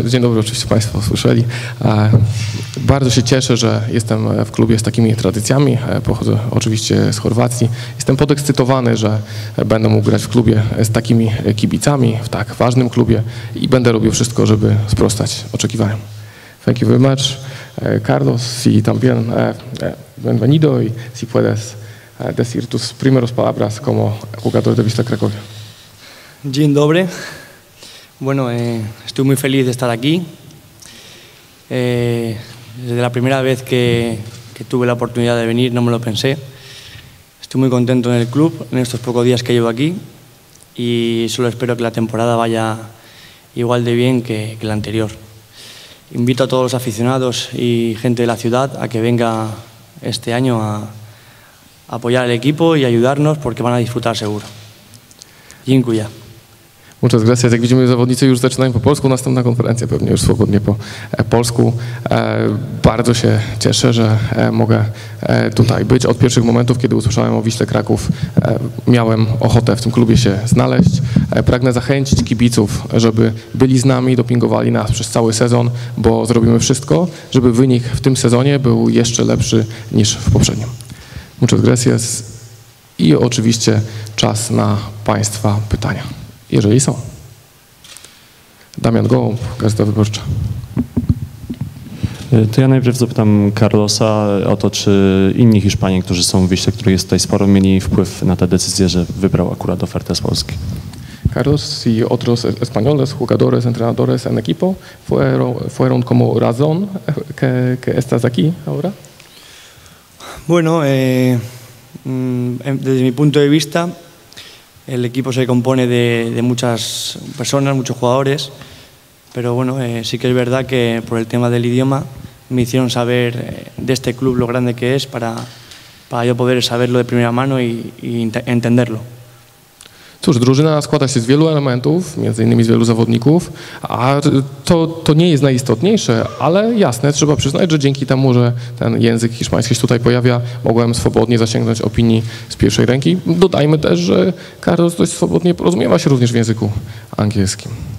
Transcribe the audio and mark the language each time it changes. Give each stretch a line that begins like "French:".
Polish: Dzień dobry, oczywiście Państwo słyszeli. Bardzo się cieszę, że jestem w klubie z takimi tradycjami. Pochodzę oczywiście z Chorwacji. Jestem podekscytowany, że będę mógł grać w klubie z takimi kibicami, w tak ważnym klubie i będę robił wszystko, żeby sprostać oczekiwaniom.
English: Thank you very much.
Spanish: Carlos, si también bienvenido y si puedes decir tus primeros palabras como jugador de Wisla Cracovia.
Polish: Dzień dobry.
Spanish: Bueno, estoy muy feliz de estar aquí. Desde la primera vez que tuve la oportunidad de venir, no me lo pensé. Estoy muy contento en el club, en estos pocos días que llevo aquí. Y solo espero que la temporada vaya igual de bien que la anterior. Invito a todos los aficionados y gente de la ciudad a que venga este año a apoyar al equipo y ayudarnos porque van a disfrutar seguro.
Polish: Dziękuję.
Spanish: Muchas gracias.
Polish: Jak widzimy, zawodnicy już zaczynają po polsku, następna konferencja pewnie już swobodnie po polsku. Bardzo się cieszę, że mogę tutaj być. Od pierwszych momentów, kiedy usłyszałem o Wiśle Kraków, miałem ochotę w tym klubie się znaleźć. Pragnę zachęcić kibiców, żeby byli z nami, dopingowali nas przez cały sezon, bo zrobimy wszystko, żeby wynik w tym sezonie był jeszcze lepszy niż w poprzednim.
Spanish: Muchas gracias.
Polish: I oczywiście czas na Państwa pytania. Jeżeli są. Damian Gołąb, Gazeta Wyborcza. To ja najpierw zapytam Carlosa o to, czy inni Hiszpanie, którzy są w Wiśle, których jest tutaj sporo, mieli wpływ na tę decyzję, że wybrał akurat ofertę z Polski.
Spanish: Carlos y otros españoles, jugadores, entrenadores en equipo, fueron como razón que estás aquí ahora? Bueno, desde mi punto de vista, el equipo se compone de muchas personas, muchos jugadores, pero bueno, sí que es verdad que por el tema del idioma me hicieron saber de este club lo grande que es para yo poder saberlo de primera mano y entenderlo.
Polish: Cóż, drużyna składa się z wielu elementów, między innymi z wielu zawodników, a to nie jest najistotniejsze, ale jasne, trzeba przyznać, że dzięki temu, że ten język hiszpański się tutaj pojawia, mogłem swobodnie zasięgnąć opinii z pierwszej ręki. Dodajmy też, że Carlos dość swobodnie porozumiewa się również w języku angielskim.